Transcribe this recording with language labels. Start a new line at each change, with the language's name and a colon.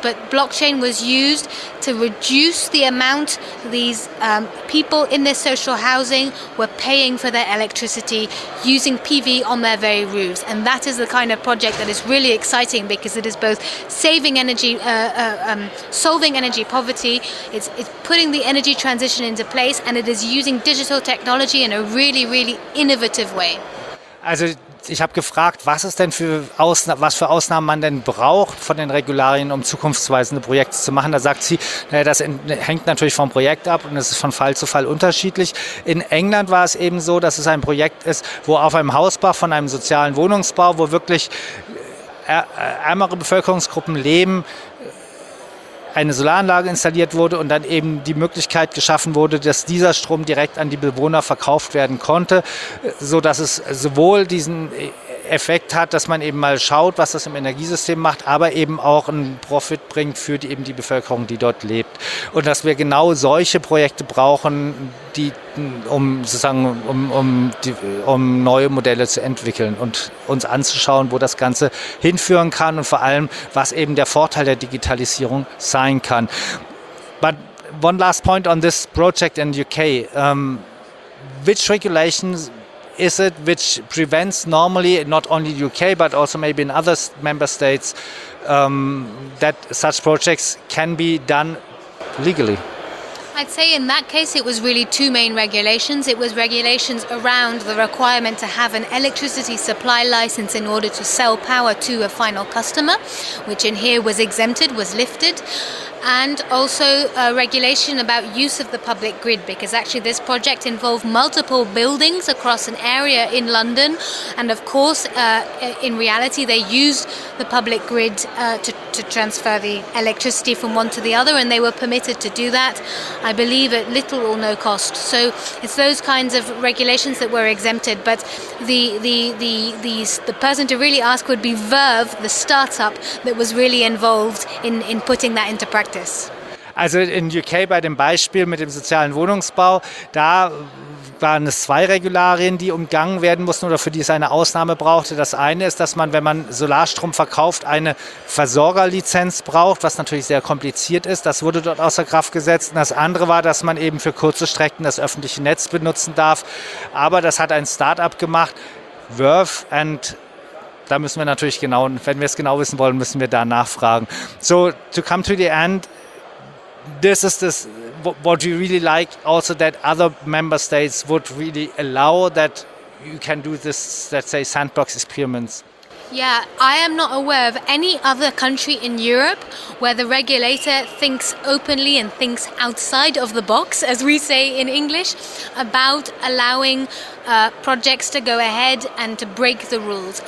English: But blockchain was used to reduce the amount these people in their social housing were paying for their electricity using PV on their very roofs. And that is the kind of project that is really exciting, because it is both saving energy, solving energy poverty, it's putting the energy transition into place, and it is using digital technology in a really, really innovative way.
German: Also ich habe gefragt, was es denn für was für Ausnahmen man denn braucht von den Regularien, um zukunftsweisende Projekte zu machen. Da sagt sie, naja, das hängt natürlich vom Projekt ab und es ist von Fall zu Fall unterschiedlich. In England war es eben so, dass es ein Projekt ist, wo auf einem Hausbau von einem sozialen Wohnungsbau, wo wirklich ärmere Bevölkerungsgruppen leben, eine Solaranlage installiert wurde und dann eben die Möglichkeit geschaffen wurde, dass dieser Strom direkt an die Bewohner verkauft werden konnte, sodass es sowohl diesen Effekt hat, dass man eben mal schaut, was das im Energiesystem macht, aber eben auch einen Profit bringt für die, eben die Bevölkerung, die dort lebt. Und dass wir genau solche Projekte brauchen, die, um sozusagen um neue Modelle zu entwickeln und uns anzuschauen, wo das Ganze hinführen kann und vor allem, was eben der Vorteil der Digitalisierung sein kann.
English: But one last point on this project in UK. Which regulations is it which prevents normally, not only the UK, but also maybe in other member states, that such projects can be done legally? I'd say in that case it was really two main regulations. It was regulations around the requirement to have an electricity supply license in order to sell power to a final customer, which in here was exempted, was lifted. And also a regulation about use of the public grid, because actually this project involved multiple buildings across an area in London. And of course, in reality, they used the public grid to transfer the electricity from one to the other, and they were permitted to do that, I believe, at little or no cost. So it's those kinds of regulations that were exempted. But the person to really ask would be Verve, the startup that was really involved in putting that into practice.
German: Also in UK bei dem Beispiel mit dem sozialen Wohnungsbau, da waren es zwei Regularien, die umgangen werden mussten oder für die es eine Ausnahme brauchte. Das eine ist, dass man, wenn man Solarstrom verkauft, eine Versorgerlizenz braucht, was natürlich sehr kompliziert ist. Das wurde dort außer Kraft gesetzt. Und das andere war, dass man eben für kurze Strecken das öffentliche Netz benutzen darf. Aber das hat ein Start-up gemacht, Verve,
English: and
German: da müssen wir natürlich genau, wenn wir es genau wissen wollen, müssen wir da nachfragen.
English: So, to come to the end, this is this what we really like also, that other member states would really allow that you can do this, let's say, sandbox experiments. Yeah, I am not aware of any other country in Europe where the regulator thinks openly and thinks outside of the box, as we say in English, about allowing projects to go ahead and to break the rules.